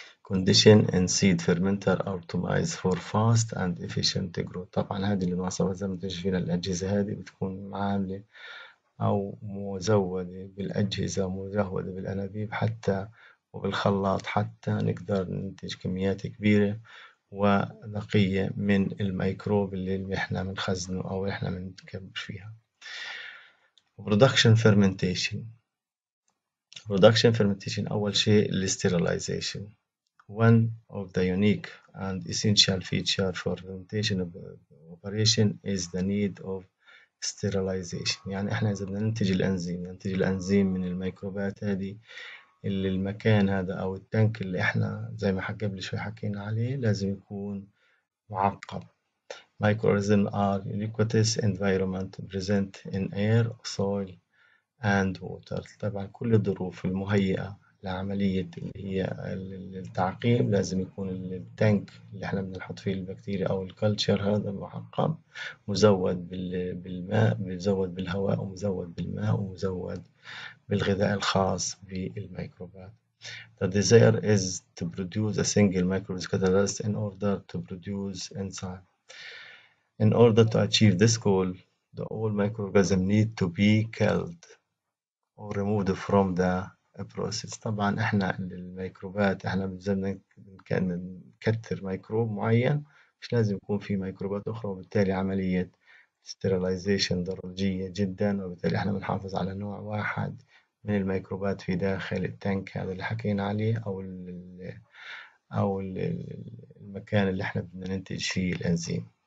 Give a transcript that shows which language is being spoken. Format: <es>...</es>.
<en>Condition in seed fermenter optimized for fast and efficient growth.</en> <ar>طبعا هذه اللي ناقصة زي ما انتم شايفين الأجهزة هذه بتكون عاملة أو مزودة بالأجهزة، مزودة بالأنابيب حتى وبالخلاط حتى نقدر ننتج كميات كبيرة ونقية من الميكروب اللي احنا بنخزنه أو احنا بنكبر فيها.</ar> <en>Production fermentation. Production fermentation</en> <ar>أول شيء الاسترلايزيشن.</ar> <en>One of the unique and essential feature for fermentation operation is the need of sterilization.</en> <ar>يعني احنا اذا بدنا ننتج الانزيم من الميكروبات هذه، اللي المكان هذا او التانك اللي احنا زي ما قبل شوي حكينا عليه لازم يكون معقم.</ar> <en>Microorganisms are ubiquitous environment present in air, soil and water.</en> <ar>طبعا كل الظروف المهيئة لعملية اللي هي التعقيم لازم يكون التانك اللي احنا بنحط فيه البكتيريا او الكلتشر هذا معقم، مزود بالماء، مزود بالهواء، ومزود بالماء، ومزود بالغذاء الخاص بالميكروبات.</ar> <en>The desire is to produce a single microbe catalyst in order to produce enzyme. In order to achieve this goal, the old microorganism need to be killed or removed from the البروسيس.</en> <ar>طبعا احنا الميكروبات احنا كان نكثر ميكروب معين، مش لازم يكون في ميكروبات اخرى، وبالتالي عملية sterilization ضرورية جدا، وبالتالي احنا بنحافظ على نوع واحد من الميكروبات في داخل التانك هذا اللي حكينا عليه او الـ المكان اللي احنا بدنا ننتج فيه الانزيم.</ar>